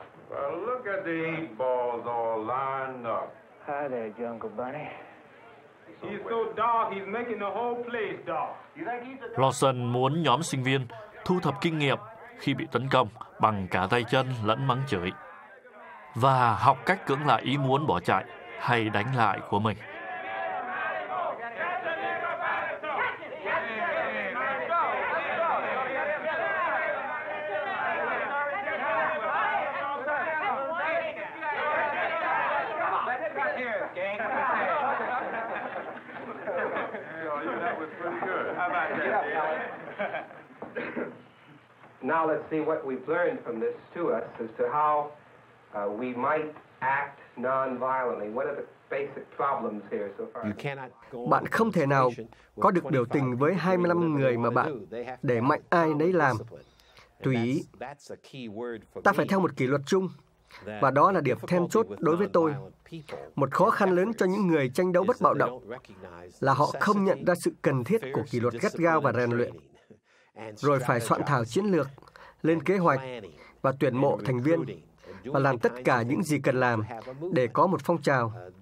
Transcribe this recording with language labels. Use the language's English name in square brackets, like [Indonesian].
[English] Well, look at the eight balls all lined up. Hi there, Jungle Bunny. He's so dark, he's making the whole place dark. [Vietnamese] Lawson muốn nhóm sinh viên thu thập kinh nghiệm khi bị tấn công bằng cả tay chân lẫn mắng chửi và học cách cưỡng lại ý muốn bỏ chạy hay đánh lại của mình. [English] Now let's see what we've learned from this to us as to how we might act non-violently. What are the basic problems here so far? You cannot. [Vietnamese] Bạn không thể nào có được biểu tình với 25 người mà bạn để mạnh ai nấy làm. Tùy ý. Ta phải theo một kỷ luật chung, và đó là điểm then chốt đối với tôi. Một khó khăn lớn cho những người tranh đấu bất bạo động là họ không nhận ra sự cần thiết của kỷ luật gắt gao và rèn luyện, rồi phải soạn thảo chiến lược, lên kế hoạch và tuyển mộ thành viên và làm tất cả những gì cần làm để có một phong trào.